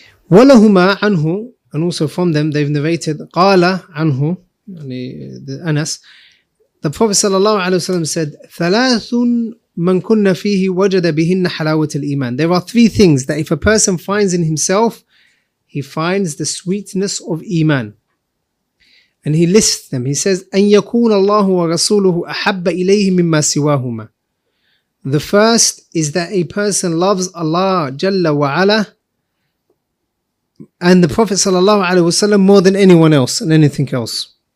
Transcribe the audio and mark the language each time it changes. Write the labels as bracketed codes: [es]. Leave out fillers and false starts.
[ar] ولهما عنه, [en] and also from them, they've narrated [ar] قال عنه, [en] the Anas, the Prophet sallallahu alaihi wasallam said ثلاث [ar] مَنْ كُنَّ فِيهِ وَجَدَ بِهِنَّ حَلَاوَةَ الْإِيمَانِ. [en] There are three things that if a person finds in himself, he finds the sweetness of Iman. And he lists them. He says, [ar] أَنْ يَكُونَ اللَّهُ وَرَسُولُهُ أَحَبَّ إِلَيْهِ مِمَّا سِوَاهُمَا. [en] The first is that a person loves Allah جَلَّ وَعَلَى and the Prophet sallallahu alaihi wasallam more than anyone else and anything else.